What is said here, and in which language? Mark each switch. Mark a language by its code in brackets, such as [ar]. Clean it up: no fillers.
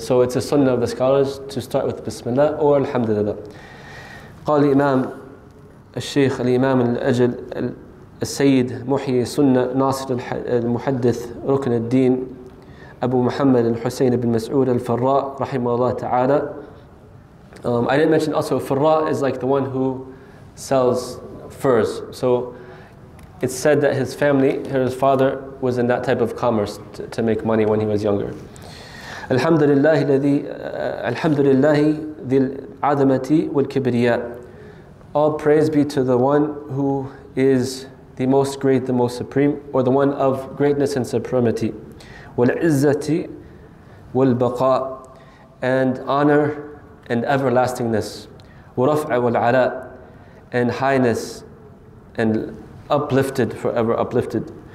[en] So it's a sunnah of the scholars to start with Bismillah or Alhamdulillah. [ar] قال الإمام الشيخ الإمام الأجل السيد محي سنة ناصر المحدث ركن الدين أبو محمد الحسين بن مسعود الفراء رحمه الله تعالى. [en] I didn't mention also فراء is like the one who sells furs. So it's said that his family, his father, was in that type of commerce to make money when he was younger. [ar] الحمد لله الذي الحمد لله ذي العظمة والكبرياء. [en] All praise be to the one who is the most great, the most supreme, or the one of greatness and supremacy. [ar] وَالْعِزَّةِ وَالْبَقَاءِ [en] and honor and everlastingness. [ar] وَرَفْعَ وَالْعَلَاءِ [en] and highness and uplifted, forever uplifted.